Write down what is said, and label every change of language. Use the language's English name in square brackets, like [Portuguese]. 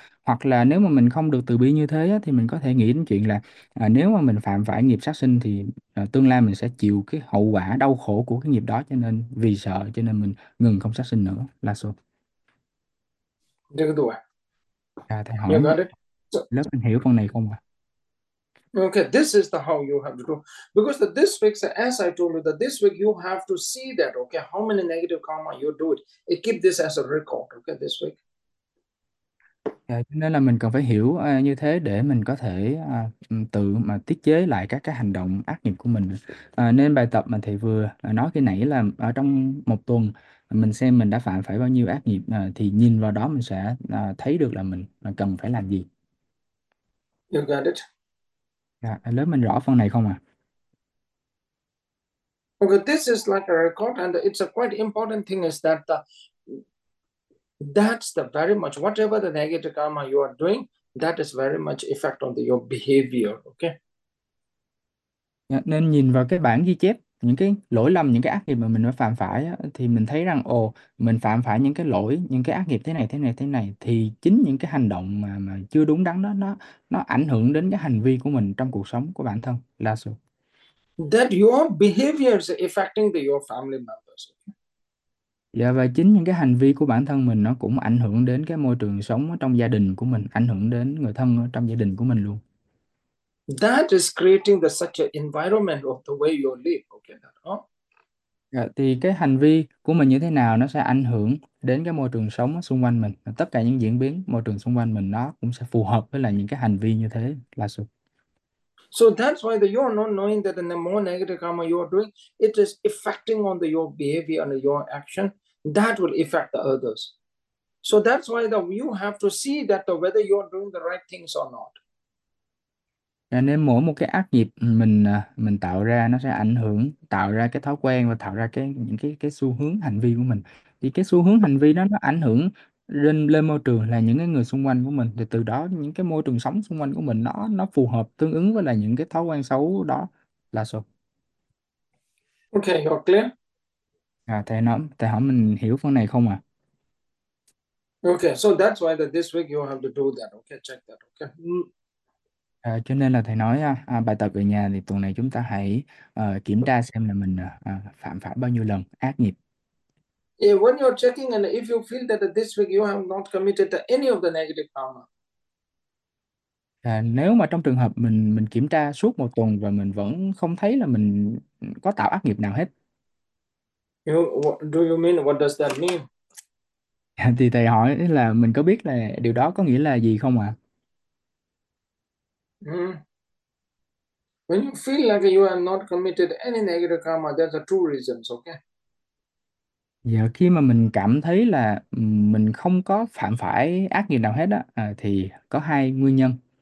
[Vietnamese] Hoặc là nếu mà mình không được từ bi như thế á, thì mình có thể nghĩ đến chuyện là nếu mà mình phạm phải nghiệp sát sinh thì tương lai mình sẽ chịu cái hậu quả đau khổ của cái nghiệp đó, cho nên vì sợ cho nên mình ngừng không sát sinh nữa là số. Được rồi. À, thầy [English] You [Vietnamese] hỏi [English] got it? [Vietnamese] lớp anh hiểu con này không ạ? [English] Okay, this is the how you have to do. Because that this week, as I told you, that this week you have to see that, okay, how many negative karma you do it. It keep this as a record, okay, this week. [Vietnamese] Cho nên là mình cần phải hiểu như thế để mình có thể tự mà tiết chế lại các cái hành động ác nghiệp của mình. Nên bài tập mà thầy vừa nói khi nãy là ở trong một tuần mình xem mình đã phạm phải bao nhiêu ác nghiệp, thì nhìn vào đó mình sẽ thấy được là mình cần phải làm gì. [English] You got it. [Vietnamese] Dạ, lớp mình rõ phần này không ạ? À? [English] Okay, this is like a record, and it's a quite important thing is that that's the very much whatever the negative karma you are doing, that is very much effect on the, your behavior. Okay. [Vietnamese] Nên nhìn vào cái bản ghi chép những cái lỗi lầm, những cái ác nghiệp mà mình đã phạm phải á, thì mình thấy rằng ồ mình phạm phải những cái lỗi, những cái ác nghiệp thế này thế này thế này, thì chính những cái hành động mà chưa đúng đắn đó nó ảnh hưởng đến cái hành vi của mình trong cuộc sống của bản thân là sự. [English] That your behavior is affecting the, your family members. [Vietnamese] Dạ, và chính những cái hành vi của bản thân mình nó cũng ảnh hưởng đến cái môi trường sống trong gia đình của mình, ảnh hưởng đến người thân ở trong gia đình của mình luôn. [English] That is creating the such an environment of the way you live. Okay, that, huh? [Vietnamese] Thì cái hành vi của mình như thế nào nó sẽ ảnh hưởng đến cái môi trường sống xung quanh mình, tất cả những diễn biến môi trường xung quanh mình nó cũng sẽ phù hợp với lại những cái hành vi như thế là sự. [English] So that's why the, you are not knowing that in the more negative karma you are doing, it is affecting on the, your behavior and your action. That will affect the others. So that's why the, you have to see that the, whether you are doing the right things or not. [Vietnamese] Nên mỗi một cái ác nghiệp mình tạo ra nó sẽ ảnh hưởng, tạo ra cái thói quen và tạo ra cái những cái xu hướng hành vi của mình. Thì cái xu hướng hành vi đó nó ảnh hưởng lên môi trường là những cái người xung quanh của mình, thì từ đó những cái môi trường sống xung quanh của mình nó phù hợp tương ứng với là những cái thói quen xấu đó là sao. [English] Okay, you're [Vietnamese] À, thầy hỏi mình hiểu phần này không ạ? À? [English] clear. Okay, so that's why that this week you have to do that. Okay, check that. Okay. [Vietnamese] À, cho nên là thầy nói bài tập về nhà thì tuần này chúng ta hãy kiểm tra xem là mình phạm phải bao nhiêu lần ác nghiệp. [English] When you're checking and if you feel that this week you have not committed any of the negative karma. [Vietnamese] À, nếu mà trong trường hợp mình kiểm tra suốt một tuần và mình vẫn không thấy là mình có tạo ác nghiệp nào hết. [English] Do you mean, what does that mean? [Vietnamese] À, thì thầy hỏi là mình có biết là điều đó có nghĩa là gì không ạ? À? [English] When you feel like you have not committed any negative karma, there's a two reasons, okay? [Vietnamese] Giờ khi mà mình cảm thấy là mình không có phạm phải ác nghiệp nào hết á, thì có hai nguyên nhân.